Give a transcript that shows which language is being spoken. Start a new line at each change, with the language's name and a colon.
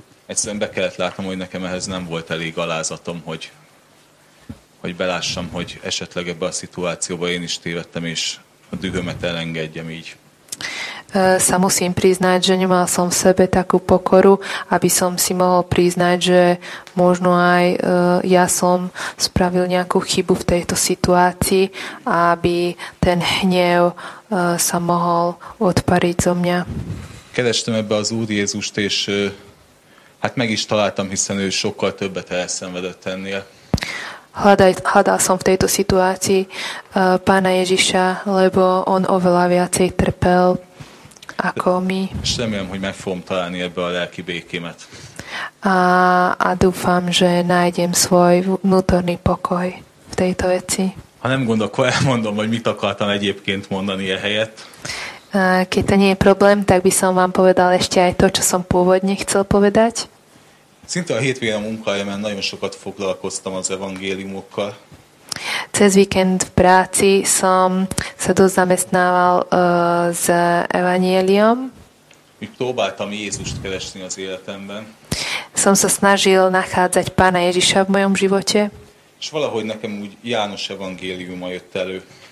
Hungarian: Egyszerűen be kellett látnom, hogy nekem ehhez nem volt elég alázatom, hogy belássam, hogy esetleg ebbe a szituációba én is tévedtem, és a dühömet elengedjem így.
Slovak: Sa musím priznať, že nemal som v sebe takú pokoru, aby som si mohol priznať, že možno aj ja som spravil nejakú chybu v tejto situácii, aby ten hnev sa mohol odpariť zo mňa.
Hungarian: Kerestem ebbe az Úr Jézust, és hát meg is találtam, hiszen ő sokkal többet elszenvedett ennél.
Slovak: Hľadal som v tejto situácii Pána Ježiša, lebo on oveľa viacej trpel ako my.
Hungarian: Remélem, hogy meg fogom találni ebbe a lelki békémet.
Slovak: A dúfam, že nájdem svoj vnútorný pokoj v tejto veci.
Hungarian: Ha nem gond, akkor elmondom, hogy mit akartam egyébként mondani e helyett.
Slovak: Keď to nie je problém, tak by som vám povedal ešte aj to, čo som pôvodne chcel povedať.
Hungarian: Szinte a hétvégén a munkahelyemen nagyon sokat foglalkoztam az evangéliumokkal.
Slovak: Cez víkend v práci som sa dosť zamestnával s evanjeliom.
Hungarian: Úgy próbáltam Jézust keresni az életemben.
Slovak: Som sa snažil nachádzať Pána Ježiša v mojom živote.
Hungarian: És valahogy nekem úgy János evangéliuma jött elő.